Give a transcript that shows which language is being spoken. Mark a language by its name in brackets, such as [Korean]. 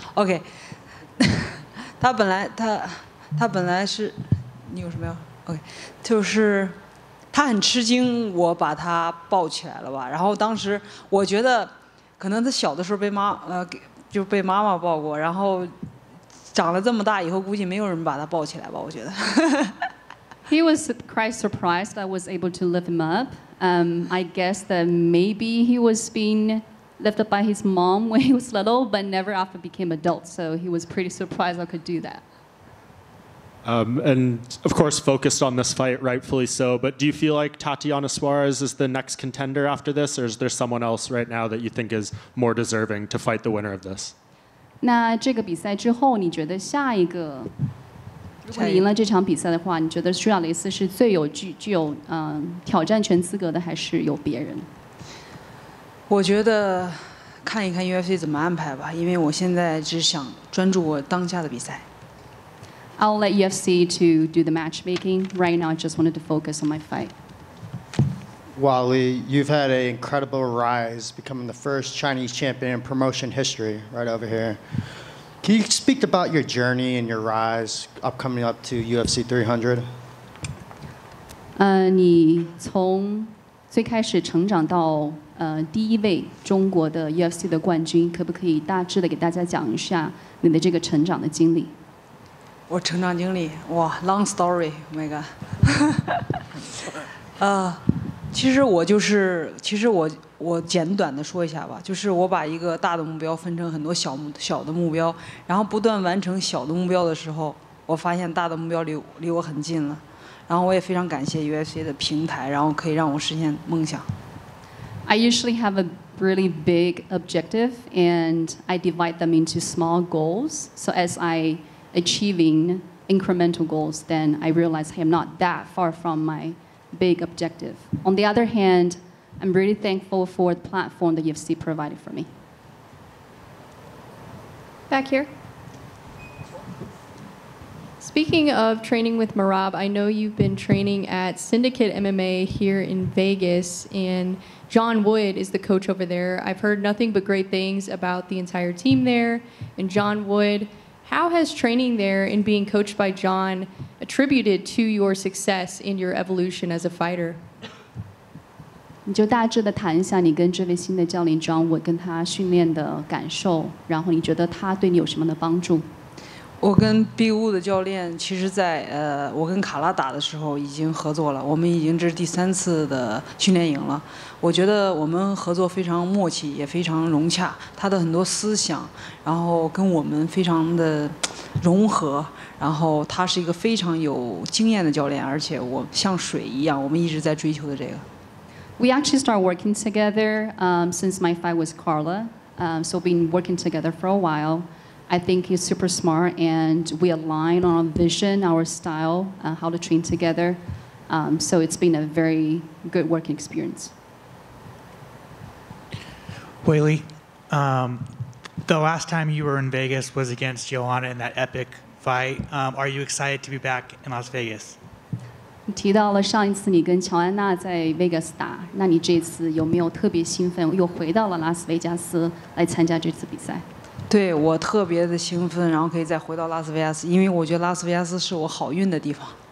[Chinese] OK， 他本来是，你有什么要 ？OK， 就是他很吃惊，我把他抱起来了吧。然后当时我觉得，可能他小的时候被妈妈抱过，然后长了这么大以后，估计没有人把他抱起来吧。我觉得。 [English] He was quite surprised I was able to lift him up. I guess that maybe he was beingLift up by his mom when he was little, but never after became adult. So he was pretty surprised I could do that. And of course, focused on this fight, rightfully so. But do you feel like Tatiana Suarez is the next contender after this, or is there someone else right now that you think is more deserving to fight the winner of this? [Chinese] 那这个比赛之后，你觉得下一个，如果你赢了这场比赛的话，你觉得苏亚雷斯是最有具有挑战权资格的，还是有别人？我觉得看一看 UFC 怎么安排吧，因为我现在只想专注我当下的比赛。 [English] I'll let UFC to do the matchmaking. Right now, I just wanted to focus on my fight. Weili, you've had an incredible rise, becoming the first Chinese champion in promotion history, right over here. Can you speak about your journey and your rise upcoming up to UFC 300? [Chinese] 你从最开始成长到第一位中国的 UFC 的冠军，可不可以大致的给大家讲一下你的这个成长的经历？我成长经历，哇 ， [English] long story， [Chinese] 那个，其实我简短的说一下吧，就是我把一个大的目标分成很多小的目标，然后不断完成小的目标的时候，我发现大的目标离我很近了，然后我也非常感谢 UFC 的平台，然后可以让我实现梦想。 [English] I usually have a really big objective and I divide them into small goals. So as I achieving incremental goals, then I realize I am not that far from my big objective. On the other hand, I'm really thankful for the platform that UFC provided for me. Back here. Speaking of training with Merab, I know you've been training at Syndicate MMA here in Vegas, and John Wood is the coach over there. I've heard nothing but great things about the entire team there and John Wood. How has training there and being coached by John attributed to your success and your evolution as a fighter? [Chinese] 你就大致的谈一下你跟这位新的教练 John Wood 跟他训练的感受，然后你觉得他对你有什么的帮助？我跟 B 五的教练，其实在我跟卡拉打的时候已经合作了，我们已经这是第三次的训练营了。我觉得我们合作非常默契，也非常融洽。他的很多思想，然后跟我们非常的融合。然后他是一个非常有经验的教练，而且我像水一样，我们一直在追求的这个。 [English] We actually start working together since my fight with Carla, so been working together for a while. I think he's super smart, and we align on our vision, our style, how to train together. So it's been a very good working experience. Weili, the last time you were in Vegas was against Joanna in that epic fight. Are you excited to be back in Las Vegas? [Chinese] 提到了上一次你跟乔安娜在 Vegas 打，那你这次有没有特别兴奋，又回到了拉斯维加斯来参加这次比赛？对，我特别的兴奋，然后可以再回到拉斯维加斯，因为我觉得拉斯维加斯是我好运的地方。